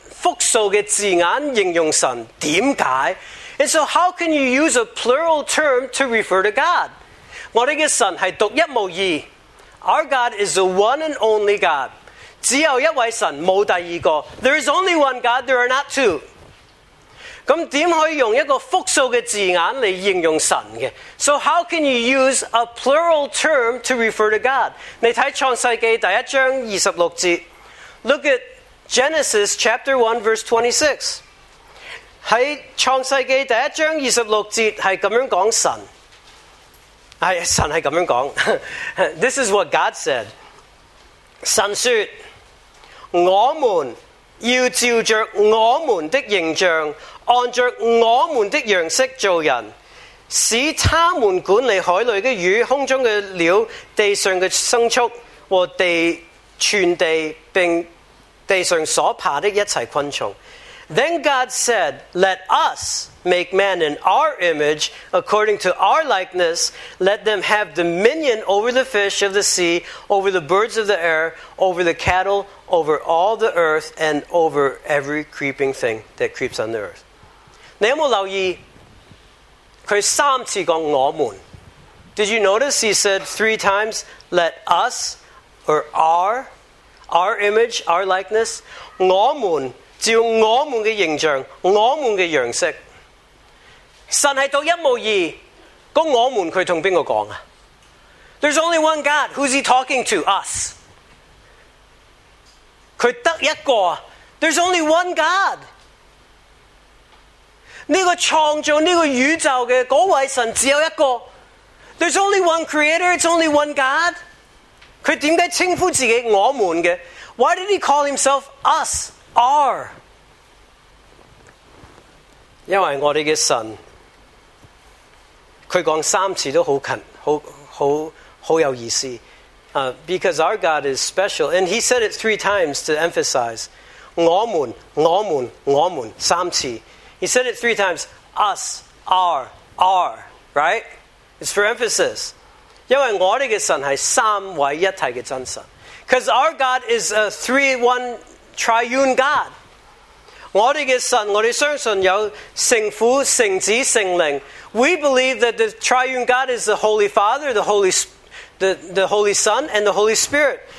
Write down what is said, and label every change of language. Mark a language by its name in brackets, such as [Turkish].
[Chinese] 那你说用复数的字眼形容神，为什么？ [English] And so how can you use a plural term to refer to God? [Chinese] 我们的神是独一无二。 [English] Our God is the one and only God. [Chinese] 只有一位神,没有第二个。 [English] There is only one God, there are not two. [Chinese] 那怎么可以用一个复数的字眼来形容神呢? [English] So how can you use a plural term to refer to God? [Chinese] 你看创世纪第一章26节。 [English] Look at Genesis chapter 1 verse 26. [Chinese] 在创世纪第一章26节是这样讲神。神是这样讲, [English] this is what God said. [Chinese] 神说,我们要照着我们的形象,按着我们的样式做人,使他们管理海里的鱼,空中的鸟,地上的牲畜, 和地全地并地上所爬的一切昆虫。 [English] Then God said, let us make man in our image, according to our likeness. Let them have dominion over the fish of the sea, over the birds of the air, over the cattle, over all the earth, and over every creeping thing that creeps on the earth. [Chinese] 你有没有留意他三次讲我们？ [English] Did you notice he said three times, let us, or our image, our likeness, [Chinese] 我们照我们的形象，我们的样式。神是独一无二，那我们他跟谁说？ [English] There's only one God. Who's he talking to? Us. [Chinese] 他得一个。 [English] There's only one God. [Chinese] 这个创造这个宇宙的那位神只有一个。 [English] There's only one creator. It's only one God. [Chinese] 他为什么称呼自己我们的？ [English] Why did he call himself us? Are. [Chinese] 因为我们的神他说三次都很近 很有意思、 [English] Because our God is special. And he said it three times to emphasize [Chinese] 我们我们我们三次 [English] He said it three times Us, are Right? It's for emphasis. [Chinese] 因为我们的神是三位一体的真神 [English] Because our God is a three-one Triune God. [Chinese] 我们的神，我们相信有圣父、圣子、圣灵。 [English] We believe that the Triune God is the Holy Father, the Holy Son, and the Holy Spirit.